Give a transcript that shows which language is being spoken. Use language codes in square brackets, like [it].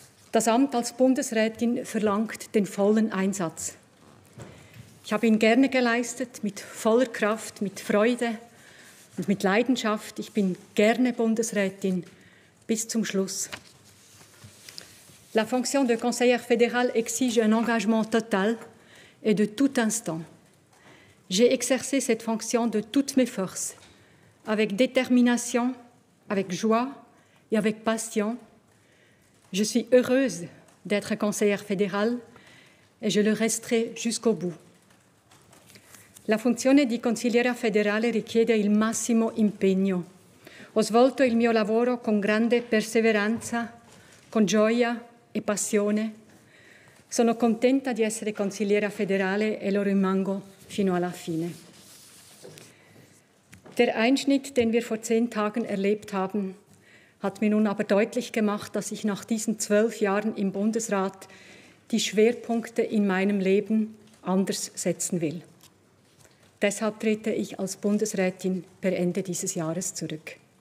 [de] Das Amt als Bundesrätin verlangt den vollen Einsatz. Ich habe ihn gerne geleistet, mit voller Kraft, mit Freude und mit Leidenschaft. Ich bin gerne Bundesrätin bis zum Schluss. [fr] La fonction de conseillère fédérale exige un engagement total et de tout instant. J'ai exercé cette fonction de toutes mes forces, avec détermination, avec joie et avec passion. Je suis heureuse d'être conseillère fédérale et je le resterai jusqu'au bout. [it] La funzione di consigliera federale richiede il massimo impegno. Ho svolto il mio lavoro con grande perseveranza, con gioia e passione. Sono contenta di essere consigliera federale e lo rimango fino alla fine. [de] Der Einschnitt, den wir vor 10 Tagen erlebt haben, hat mir nun aber deutlich gemacht, dass ich nach diesen 12 Jahren im Bundesrat die Schwerpunkte in meinem Leben anders setzen will. Deshalb trete ich als Bundesrätin per Ende dieses Jahres zurück.